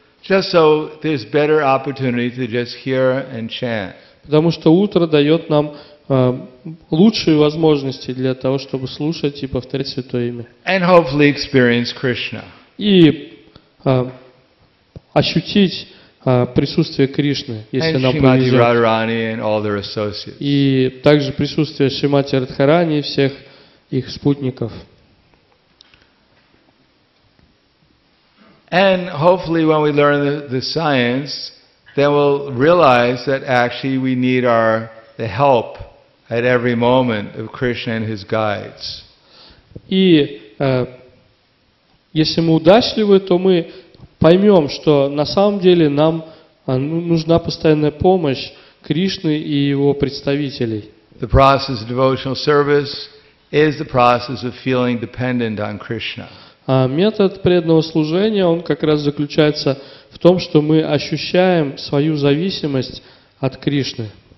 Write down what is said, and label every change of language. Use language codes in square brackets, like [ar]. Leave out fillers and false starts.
[en] Just so there's better opportunity to just hear and chant. [ru] Потому что утро дает нам лучшие возможности для того, чтобы слушать и повторять Святое Имя. [en] And hopefully experience Krishna. [ru] И ощутить присутствие Кришны, если [en] and [ru] нам повезет. И также присутствие Шримати Радхарани и всех их спутников. [en] And hopefully when we learn the science, then we'll realize that actually we need our the help at every moment of Krishna and his guides. [ru] И если мы удачливы, то мы поймем, что на самом деле нам нужна постоянная помощь Кришны и его представителей. [en] The process of devotional service is the process of feeling dependent on Krishna. [ru] Метод преданного служения, он как раз заключается в том, что мы ощущаем свою зависимость от Кришны.